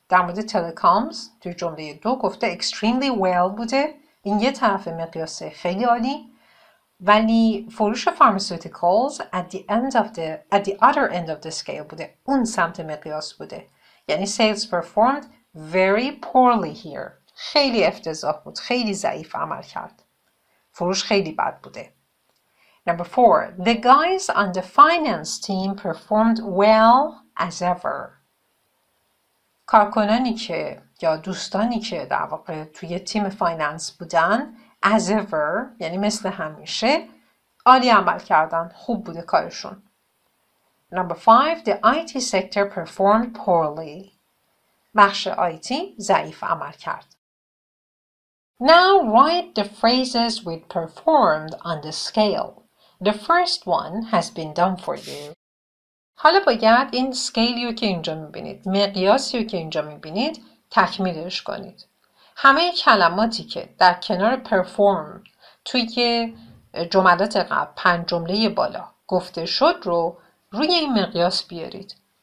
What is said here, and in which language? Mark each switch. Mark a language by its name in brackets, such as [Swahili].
[Persian] در مورد تلکامز توی جمله 2 گفته [English] extremely well [Persian] بوده، این یه طرف مقیاسه خیلی عالی، ولی فروش فارماسوتیکالز [English] at the other end of the scale [Persian] بوده، اون سمت مقیاس بوده. یعنی [English] sales performed very poorly here. [Persian] خیلی افتضاح بود، خیلی ضعیف عمل کرد. فروش خیلی بد بوده. [English] Number 4. The guys on the finance team performed well as ever. [Persian] کارکنانی که یا دوستانی که در واقع توی تیم فایننس بودن [English] as ever [Persian] یعنی مثل همیشه عالی عمل کردن، خوب بوده کارشون. [English] Number 5. The IT sector performed poorly. [Persian] بخش IT ضعیف عمل کرد. [English] Now write the phrases we performed on the scale. The first one has been done for you. [Persian] حالا باید این scale که اینجا میبینید، مقیاسی که اینجا میبینید تکمیلش کنید. همه کلماتی که در کنار perform توی جملات قبل 5 جمله بالا گفته شد رو روی این مقیاس بیارید.